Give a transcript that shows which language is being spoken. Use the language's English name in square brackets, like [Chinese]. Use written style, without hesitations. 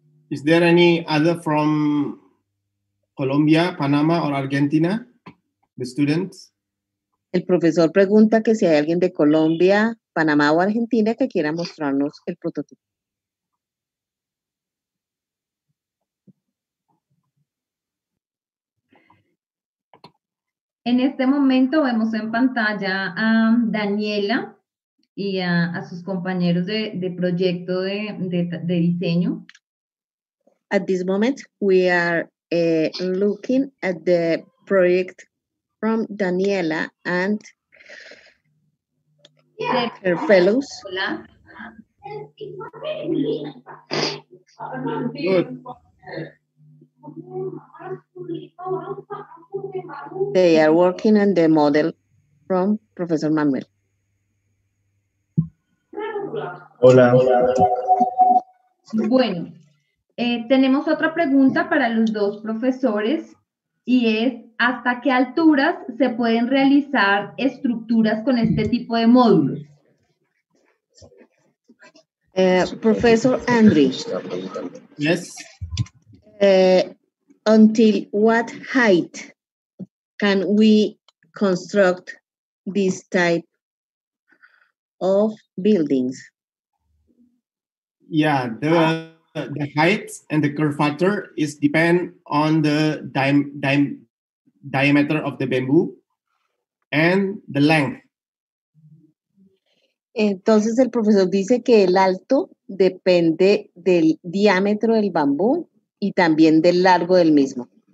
[English] Is there any other from Colombia, Panama or Argentina, the students? [Spanish] El profesor pregunta que si hay alguien de Colombia, Panamá o Argentina que quiera mostrarnos el prototipo. En este momento vemos en pantalla a Daniela y a sus compañeros de proyecto de diseño. [English] At this moment, we are looking at the project from Daniela and her fellows. [Spanish] Hola. [English] Good. They are working on the model from Professor Manuel. [Spanish] Hola. Bueno, tenemos otra pregunta para los dos profesores y es, ¿hasta qué alturas se pueden realizar estructuras con este tipo de módulos? [English] Professor Andri. Yes. Until what height can we construct this type of buildings? Yeah, the height and the curve factor is depend on the diameter of the bamboo and the length. [Spanish] Entonces el profesor dice que el alto depende del diámetro del bambú y también del largo del mismo.